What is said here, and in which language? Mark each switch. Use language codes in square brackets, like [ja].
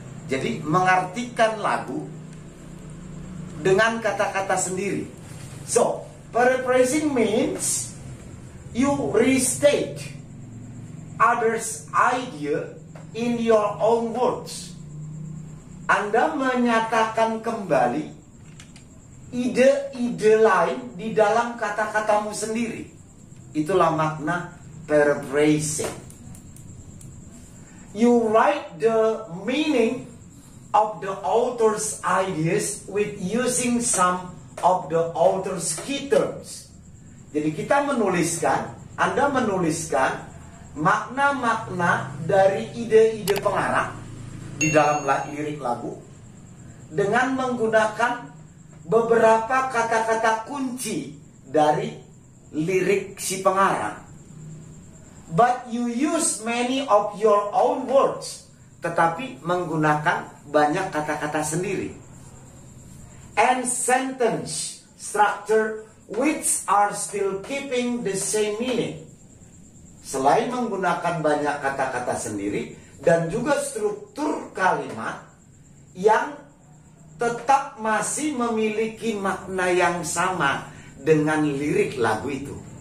[id] Jadi mengartikan lagu dengan kata-kata sendiri. [en] So, paraphrasing means you restate others' idea in your own words. [id] Anda menyatakan kembali ide-ide lain di dalam kata-katamu sendiri. Itulah makna paraphrasing. [en] You write the meaning of the author's ideas with using some of the author's key terms. [id] Jadi kita menuliskan, Anda menuliskan makna-makna dari ide-ide pengarah di dalam lirik lagu dengan menggunakan beberapa kata-kata kunci dari lirik si pengarah. [en] But you use many of your own words, [id] tetapi menggunakan banyak kata-kata sendiri. [en] And sentence structure which are still keeping the same meaning. [id] Selain menggunakan banyak kata-kata sendiri dan juga struktur kalimat yang tetap masih memiliki makna yang sama dengan lirik lagu itu.